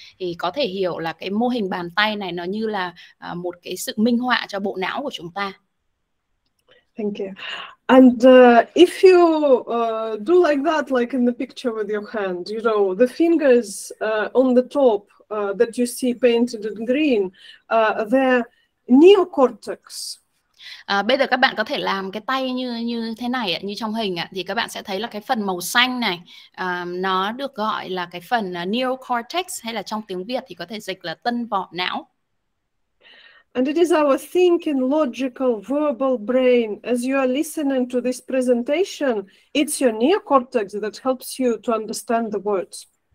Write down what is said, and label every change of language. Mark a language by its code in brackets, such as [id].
[vi] Thì có thể hiểu là cái mô hình bàn tay này nó như là một cái sự minh họa cho bộ não của chúng ta. [en] Thank you. And if you do like that, like in the picture with your hand, you know, the fingers on the top that you see painted in green, they're neocortex. [vi] À, bây giờ các bạn có thể làm cái tay như như thế này ạ, như trong hình ạ, thì các bạn sẽ thấy là cái phần màu xanh này nó được gọi là cái phần neocortex, hay là trong tiếng Việt thì có thể dịch là tân vỏ não. [en] And it is our thinking, logical, verbal brain. As you are listening to this presentation, it's your neocortex that helps you to understand the words.